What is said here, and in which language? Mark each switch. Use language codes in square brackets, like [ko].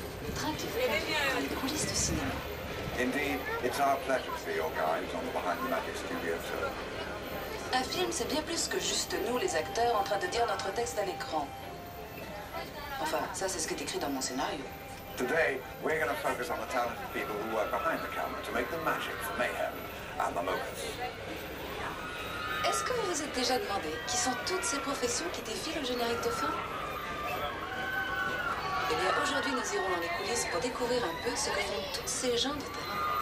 [fr] Le train qui fait la coulisse du cinéma. [en] Indeed, it's our pleasure to be your guides on the Behind the Magic Studio Tour. [fr] Un film, c'est bien plus que juste nous, les acteurs, en train de dire notre texte à l'écran. Enfin, ça, c'est ce qui est écrit dans mon scénario. [en] Today, we're going to focus on the talented people who work behind the camera to make the magic for mayhem and the moments. [fr] Est-ce que vous vous êtes déjà demandé qui sont toutes ces professions qui défilent au générique de fin? Eh bien, aujourd'hui, nous irons dans les coulisses pour découvrir un peu ce que font toutes ces gens de terrain.